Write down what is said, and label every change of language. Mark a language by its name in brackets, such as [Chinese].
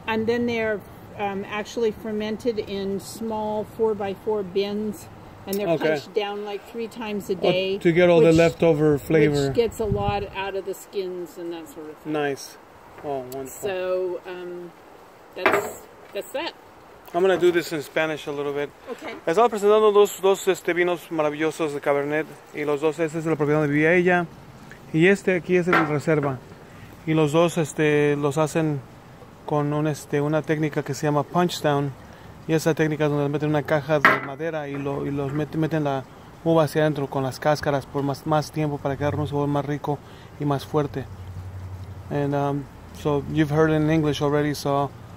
[English] and then they're actually fermented in small 4x4 bins, and they're okay. punched down like 3 times a day. Oh, to get all the leftover flavor. Which gets a lot out of the skins and that sort of thing. Nice. Oh, wonderful. So that's that. I'm going to do this in Spanish a little bit. Okay. [Spanish] Estaba presentando dos vinos maravillosos de Cabernet. Y los dos, este es de la propiedad donde vivía ella. Y este aquí es el reserva. Y los dos los hacen con una técnica que se llama punch down. Y esa técnica es donde meten una caja de madera y meten la uva hacia adentro con las cáscaras por más tiempo para quedar un sabor más rico y más fuerte. [English] And so you've heard it in English already, so...